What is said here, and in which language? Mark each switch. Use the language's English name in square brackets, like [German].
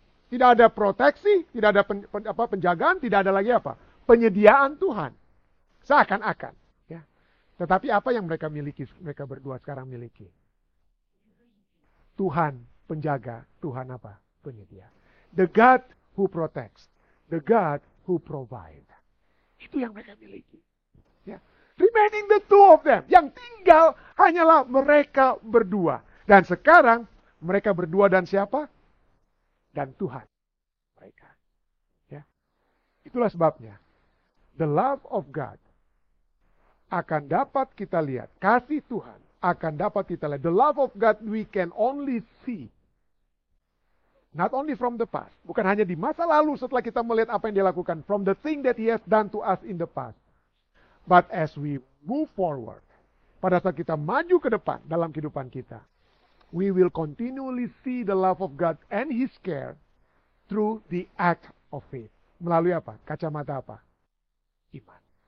[Indonesian] Tidak ada proteksi, tidak ada penjagaan, tidak ada lagi apa? Penyediaan Tuhan. Seakan-akan. Ya. Tetapi apa yang mereka miliki, mereka berdua sekarang miliki? Tuhan penjaga, Tuhan apa? Penyedia. [English] The God who protects, the God who provides. [Indonesian] Itu yang mereka miliki. Ya. [English] Remaining the two of them. [Indonesian] Yang tinggal hanyalah mereka berdua. Dan sekarang mereka berdua dan siapa? Dan Tuhan mereka. Ya. Itulah sebabnya. [English] The love of God [Indonesian] akan dapat kita lihat. Kasih Tuhan akan dapat kita lihat. [English] The love of God we can only see. Not only from the past. [Indonesian] Bukan hanya di masa lalu setelah kita melihat apa yang dia lakukan. [English] From the thing that he has done to us in the past. But as we move forward. [Indonesian] Pada saat kita maju ke depan dalam kehidupan kita. [English] We will continually see the love of God and his care through the act of faith. [Indonesian] Melalui apa? Kacamata apa? Iman.